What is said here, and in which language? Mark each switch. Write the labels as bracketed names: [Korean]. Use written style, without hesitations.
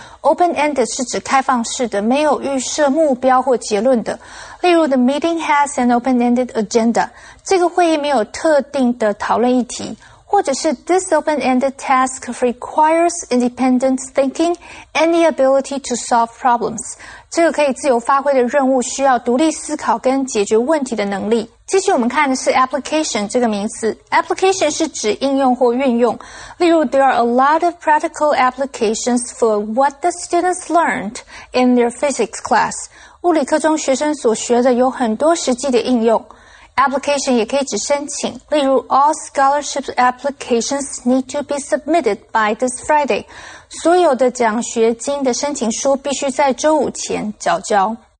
[Chinese] Open-ended 是指开放式的，没有预设目标或结论的。例如 , [English] the meeting has an open-ended agenda. [Chinese] 这个会议没有特定的讨论议题。或者是 [English] This open-ended task requires independent thinking and the ability to solve problems. [Chinese] 这个可以自由发挥的任务需要独立思考跟解决问题的能力。继续我们看的是 application 这个名词。application 是指应用或运用。例如 [English] ,there are a lot of practical applications for what the students learned in their physics class. [Chinese] 物理课中学生所学的有很多实际的应用。 [English] application [Chinese] 也可以指申请。例如 [English] ,all scholarship applications need to be submitted by this Friday. [Chinese] 所有的奖学金的申请书必须在周五前缴交。